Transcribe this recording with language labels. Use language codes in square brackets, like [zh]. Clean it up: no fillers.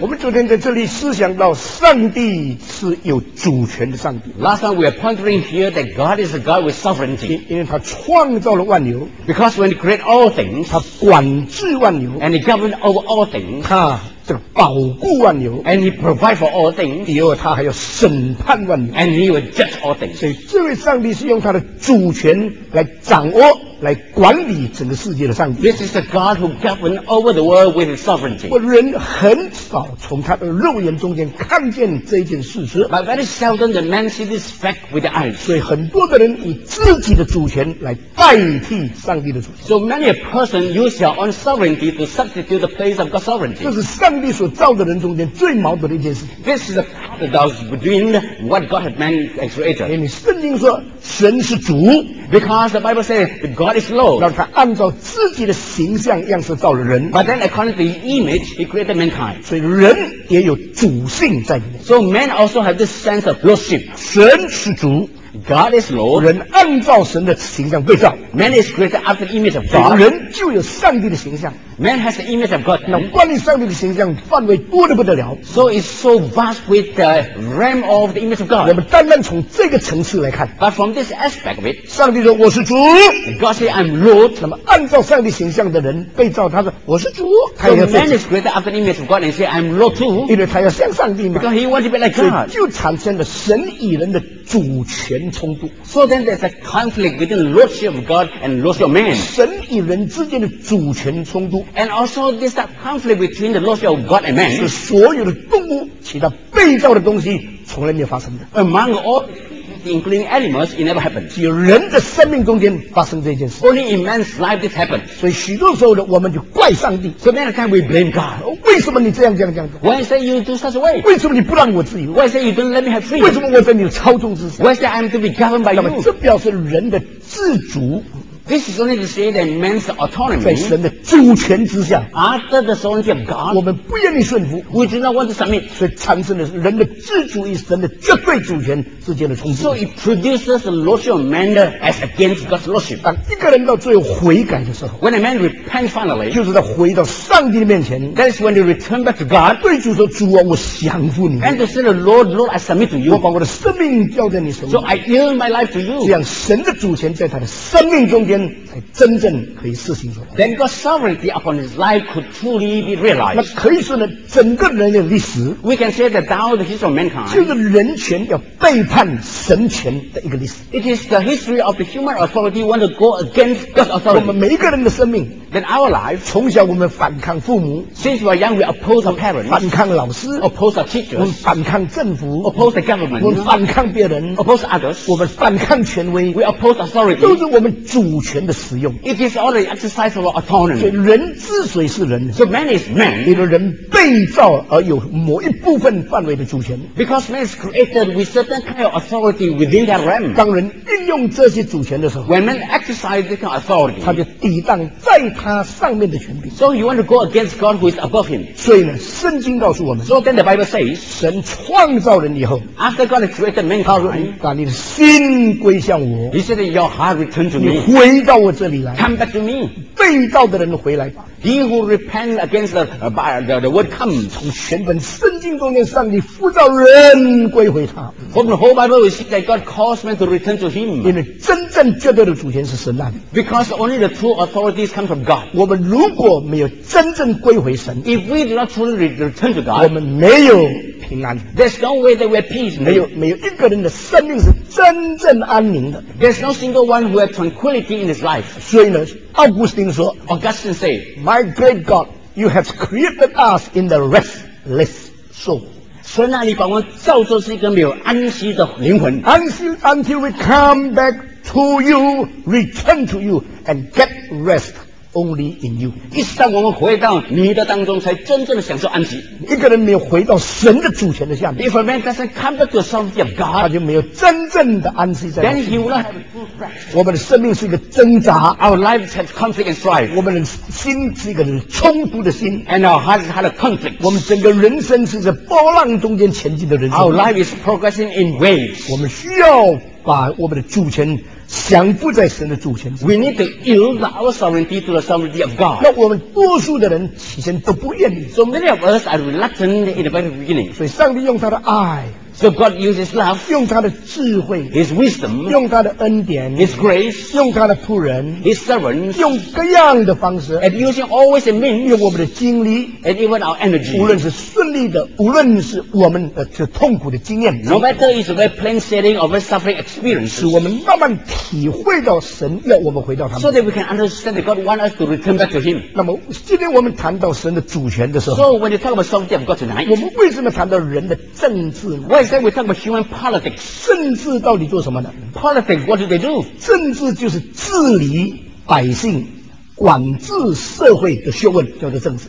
[zh] 我们昨天在这里思想到上帝是有主权的上帝。 [en] Last time we are pondering here that God is a God with sovereignty. [zh] 因为他创造了万有。 [en] Because when he created all things, [zh] 他管制万有。 [en] And he governs over all things. [zh] 他这个保护万有。 [en] And he provides for all things. [zh] 以后他还要审判万有。 [en] And he will judge all things. [zh] 所以这位上帝是用他的主权来掌握。来管理整个世界的上帝。 [en] This is the God who governs over the world with his sovereignty. [zh] 人很少从他的肉眼中间看见这件事实。 [en] But very seldom the man sees this fact with the eyes. [zh] 所以很多的人以自己的主权来代替上帝的主权。 [en] So many a person use their own sovereignty to substitute the place of God's sovereignty. [zh] 这是上帝所造的人中间最矛盾的一件事情。 [en] This is the paradox between what God had man and created. [zh] 因为圣经说神是主。 [en] Because the Bible says God is Lord. [zh] 让他按照自己的形象样式造了人。 [en] But then according to his image, he created mankind. [zh] 所以人也有主性在里面。 [en] So man also has this sense of lordship. [zh] 神是主。 [en] God is Lord. [zh] 人按照神的形象被造。 [en] Man is created after the image of God. [zh] 人就有上帝的形象。 [en] Man has the image of God. [zh] 那关于上帝的形象范围多得不得了。 [en] So it's so vast with the realm of the image of God. [zh] 我们单单从这个层次来看。 [en] But from this aspect of it, [zh] 上帝说我是主。 [en] God says I'm Lord. [zh] 那么按照上帝形象的人被造，他说我是主。 [en] So man is created after the image of God and say I'm Lord too. [zh] 因为他要像上帝嘛。 [en] Because he wants to be like God. [zh] 就产生了神与人的主权冲突。 [en] So then there's a conflict between lordship of God and lordship of man. [zh] 神与人之间的主权冲突。 [en] And also this conflict between the lordship of God and man. [zh] 是所有的动物其他被造的东西从来没有发生的。 [en] Among all, including animals, it never happened. [zh] 只有人的生命中间发生这件事。 [en] Only in man's life this happened. [zh] 所以许多时候的我们就怪上帝。 [en] So many times we blame God. [zh] 为什么你这样？ [en] Why say you do such a way? [zh] 为什么你不让我自由？ [en] Why say you don't let me have freedom? [zh] 为什么我在你的操纵之下？ [en] Why say I'm to be governed by you? [zh] 那么这表示人的自主。 [en] This is only to say that man's autonomy. [zh] 在神的主权之下 [en] ，after the sovereignty of God, [zh] 我们不愿意顺服 [en] ，we do not want to submit. [zh] 所以产生的是人的自主与神的绝对主权之间的冲突。 [en] So it produces the lordship of man as against God's lordship. [zh] 当一个人到最后悔改的时候 [en] ，when a man repents finally, [zh] 就是他回到上帝的面前 [en] ，that is when he returns back to God. [zh] 对主说：“主啊，我降服你。 [en] ”And to say, "Lord, Lord, I submit to you." [zh] 我把我的生命交在你手里。 [en] So I yield my life to you. [zh] 这样，神的主权在他的生命中间。才真正可以实行出来。 [en] Then God's sovereignty upon his life could truly be realized. [zh] 那可以说呢，整个人的历史 [en] ，We can say that down the history of mankind， [zh] 就是人权要背叛神权的一个历史。 [en] It is the history of the human authority want to go against God's authority。 [zh] 我们每一个人的生命 [en] ，Then our life， [zh] 从小我们反抗父母 [en] ，Since we are young we oppose our parents， [zh] 反抗老师 [en] ，Oppose our teachers， [zh] 我们反抗政府 [en] ，Oppose the government， [zh] 我们反抗别人 [en] ，Oppose others， [zh] 我们反抗权威 [en] ，We oppose authority， [zh] 都是我们主权。全的使用 [en] ，It is all the exercise of autonomy。 [zh] 所以人之所以是人 [en] ，So man is man。 [zh] 因为人被造而有某一部分范围的主权 [en] ，Because man is created with certain kind of authority within that realm。 [zh] 当人运用这些主权的时候 [en] ，When man exercises this kind of authority， [zh] 他就抵挡在他上面的权柄。 [en] So you want to go against God who is above him。 [zh] 所以呢，圣经告诉我们 [en] ，So then the Bible says， [zh] 神创造人以后 [en] ，After God has created man， [zh] 他说：“把你的心归向我。 [en] ”He said your heart return to me。 [zh] 回到我这里来 [en] ，Come back to me。 [zh] 被造的人回来吧。 [en] He who repents against the word come， [zh] 从全本圣经中间，上帝呼召人归回他。 [en] From the whole Bible, we see that God calls man to return to Him。 [zh] 因为真正绝对的主权是神那里。 [en] Because only the true authorities come from God。 [zh] 我们如果没有真正归回神 [en] ，If we do not truly return to God， [zh] 我们没有平安。 [en] There's no way that we're peace。 [zh] 没有一个人的生命是真正安宁的。 [en] There's no single one who has tranquility in his life。 [zh] 所以呢。Augustine 说 [en] ，Augustine say， My great God， you have created us in the restless soul。 [zh] 神啊，你把我造作是一个没有安息的灵魂。 [en] Until we come back to you， return to you， and get rest only in you。 [zh] 一旦我们回到你的当中，才真正的享受安息。一个人没有回到神的主权的下面 [en] ，If a man doesn't come back to the sovereignty of God， [zh] 他就没有真正的安息在。 [en] Then he will not have full rest。 [zh] 我们的生命是一个挣扎 [en] ，Our lives have conflict and strife。 [zh] 我们的心是一个冲突的心 [en] ，And our heart is had a conflict。 [zh] 我们整个人生是在波浪中间前进的人生 [en] ，Our life is progressing in waves。 [zh] 我们需要。把我们的主权降服在神的主权之下。 [en] We need to yield our sovereignty to the sovereignty of God。 [zh] 那我们多数的人起先都不愿意。 [en] So many of us are reluctant in the very beginning。 [zh] 所以上帝用他的爱。 [en] So God uses love， [zh] 用他的智慧 [en] ，His wisdom， [zh] 用他的恩典 [en] ，His grace， [zh] 用他的仆人 [en] ，His servant， [zh] 用各样的方式 [en] ，and using always a means， [zh] 用我们的精力 [en] ，and even our energy， [zh] 无论是顺利的，无论是我们的痛苦的经验 [en] ，no matter is very plain sailing or very suffering experience， [zh] 使我们慢慢体会到神要我们回到他们 [en] ，so that we can understand that God wants us to return back to Him。 [zh] 那么今天我们谈到神的主权的时候 [en] ，so when you talk about sovereignty of God tonight， [zh] 我们为什么谈到人的政治呢？在我上面喜欢 politics，政治到底做什么呢 [en] ？Politics what do they do？ [zh] 政治就是治理百姓、管治社会的学问，叫做政治。